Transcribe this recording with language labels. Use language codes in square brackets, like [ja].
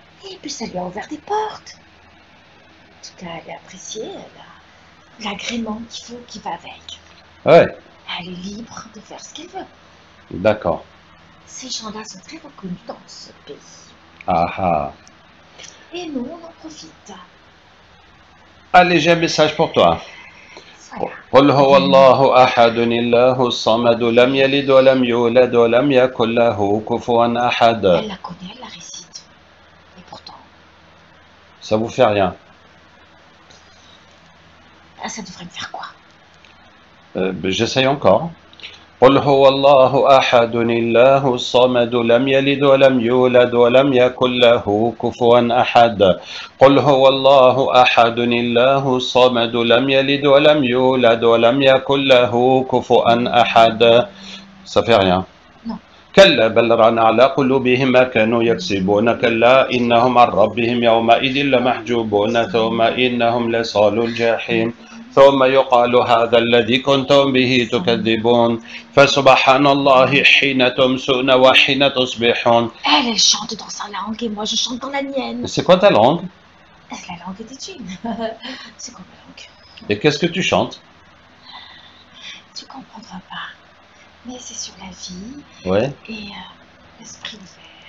[fr] Et puis, ça lui a ouvert des portes. En tout cas, elle a apprécié l'agrément qu'il faut, qui va avec. Ouais. Elle est libre de faire ce qu'elle veut. D'accord. Ces gens-là sont très reconnus dans ce pays. Ah ah. Et nous, on en profite. Allez, j'ai un message pour toi. [ar] قل هو الله أحد الله الصمد لم يلد ولم يولد ولم يكن له كفوا أحد. [fr] Elle la connaît, elle la récite. Et pourtant. Ça vous fait rien. Ah, ça devrait me faire quoi? J'essaye encore. [ar] قل هو الله أحد الله الصمد لم يلد ولم يولد ولم يكن له كفوا أحد قل هو الله أحد الله الصمد لم يلد ولم يولد ولم يكن له كفوا أحد ça fait rien. كلا بل ران على قلوبهم ما كانوا يكسبون كلا إنهم عن ربهم يومئذ لمحجوبون ثم إنهم لصالو الجحيم ثم يقال هذا الذي كنتم به تكذبون. فسبحان الله حين تمسون وحين تصبحون. [fr] Elle, elle chante dans sa langue et moi je chante dans la mienne. C'est quoi ta langue? C'est la langue des djinns. C'est quoi ma langue? Et qu'est-ce que tu chantes? Tu comprendras pas. Mais c'est sur la vie. Ouais. Et l'esprit ouvert.